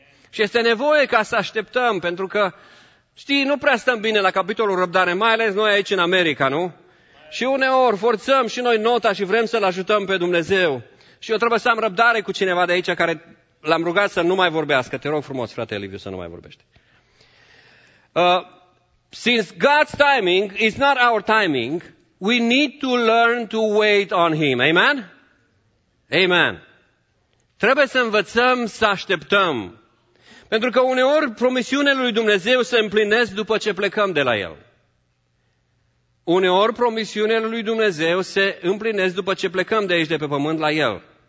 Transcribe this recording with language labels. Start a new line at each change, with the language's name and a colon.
Romanian: Și este nevoie ca să așteptăm, pentru că, știi, nu prea stăm bine la capitolul răbdare, mai ales noi aici în America, nu? Și uneori forțăm și noi nota și vrem să-L ajutăm pe Dumnezeu. Și eu trebuie să am răbdare cu cineva de aici care l-am rugat să nu mai vorbească. Te rog frumos, frate Liviu, să nu mai vorbești.
English: Since God's timing is not our timing, we need to learn to wait on Him. Amen? Amen.
Romanian: Trebuie să învățăm să așteptăm. Pentru că uneori promisiunile lui Dumnezeu se împlinesc după ce plecăm de la El. Uneori promisiunile lui Dumnezeu se împlinesc după ce plecăm de aici, de pe pământ, la El.